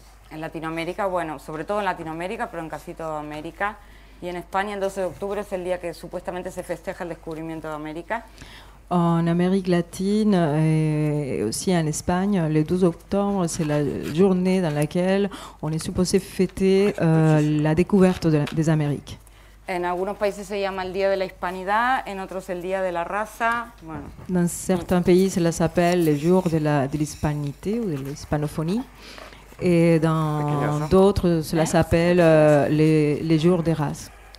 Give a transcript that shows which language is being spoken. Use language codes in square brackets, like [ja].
[es] En Latinoamérica, bueno, sobre todo en Latinoamérica, pero en casi toda América. Y en España, el 12 de octubre es el día que supuestamente se festeja el descubrimiento de América. [fr] En Amérique latine et aussi en Espagne, le 12 octobre, c'est la journée dans laquelle on est supposé fêter la découverte des Amériques. [es] En algunos países se llama el Día de la Hispanidad, en otros el Día de la Raza. Bueno. [fr] Dans certains pays, cela s'appelle le jour de l'hispanité ou de l'hispanophonie. Et dans d'autres, cela s'appelle les jours des races.